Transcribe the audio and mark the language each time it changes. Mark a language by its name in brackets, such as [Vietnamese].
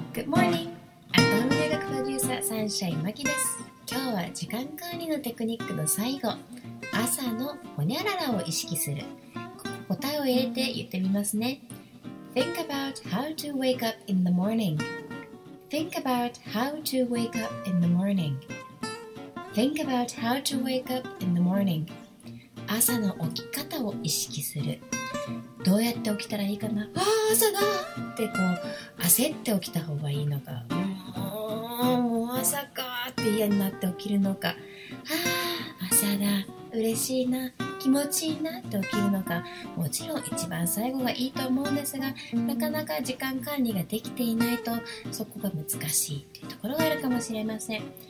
[English] Good morning! [Japanese] アトロミヤ学プロデューサーサンシャイマキです。今日は時間管理のテクニックの最後、朝のホニャララを意識する、答えを入れて言ってみますね。 [English] Think about how to wake up in the morning. Think about how to wake up in the morning. Think about how to wake up in the morning. [Japanese] 朝の起き方を意識する。どうやって起きたらいいかな、あー朝だーってこう焦って起きた方がいいのか、もう朝かーって嫌になって起きるのか、あー朝だ嬉しいな気持ちいいなって起きるのか、もちろん一番最後がいいと思うんですが、なかなか時間管理ができていないとそこが難しいっていうところがあるかもしれません。